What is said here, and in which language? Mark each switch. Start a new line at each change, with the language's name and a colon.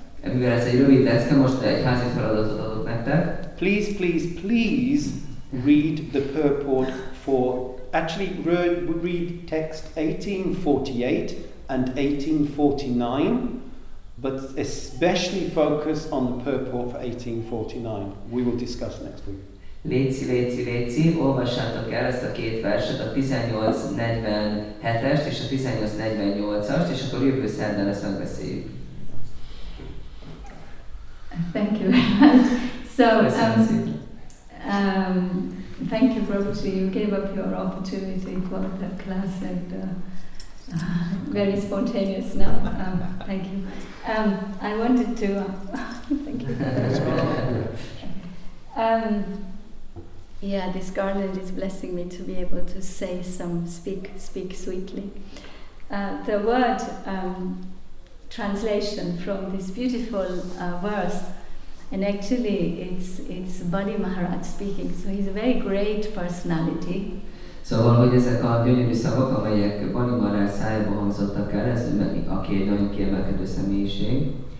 English: Please read the purport for, actually read text 1848 and 1849. But especially focus on the purport for 1849. We will discuss next week.
Hungarian: Léci, olvassátok el ezt a két verset, a 1847-est és a 1848-ast, és akkor jövő szerdán ezt megbeszéljük.
English: Thank you very much. So, thank you, Prabhuji. You gave up your opportunity for that class and very spontaneous now. Thank you. I wanted to thank you. Yeah, this garland is blessing me to be able to say some speak sweetly. The word translation from this beautiful verse, and actually it's Bali Maharaj speaking. So he's a very great personality.
Hungarian: Szóval, hogy ezek a gyönyörű szavak, amelyek Bali Maharaj szájából hangzottak el, ez aki egy nagyon kiemelkedő személyiség.